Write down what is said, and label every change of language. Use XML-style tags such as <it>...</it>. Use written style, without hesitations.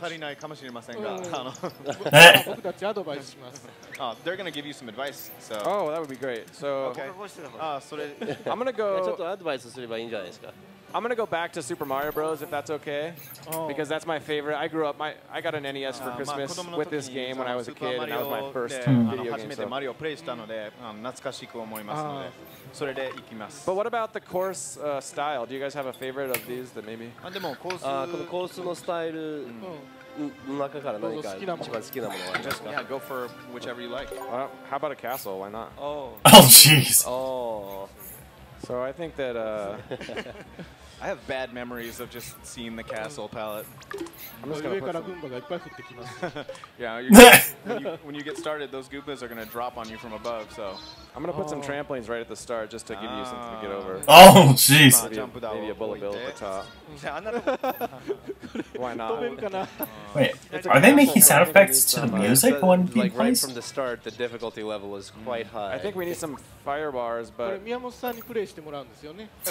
<ja>足りないかもしれませんが、あの、僕たちアドバイスします。</ja> <en>Oh, they're gonna give you some advice. So. Oh, that would be great. So. Okay. それ。I'm gonna go.</en> <ja>ちょっとアドバイスすればいいんじゃないですか。</ja> <en>I'm gonna go back to Super Mario Bros. If that's okay, because that's my favorite. I grew up. I got an NES for Christmas with this game when I was a kid, and that was my first video game.</en> <ja>初めてマリオプレイしたので、懐かしく思いますので、それで行きます。</ja> <en>But what about the course style? Do you guys have a favorite of these that maybe?</en> <ja>でもコース、このコースのスタイルの中から何か一番好きなものはありますか?</ja> <en>Yeah, go for whichever you like. How about a castle? Why not? Oh, jeez. Oh. So I think that I have bad memories of just seeing the castle palette. I'm just gonna put some. Yeah, when you get started, those Goombas are gonna drop on you from above. So I'm gonna put some trampolines right at the start just to give you something to get over. Oh, jeez. Maybe a bullet bill at the top. Why not? Wait, are they making sound effects to the music when he plays? Right from the start, the difficulty level is quite high. I think we need some fire bars, but.</en> <ja>これ宮本さんにプレイしてもらうんですよね。</ja>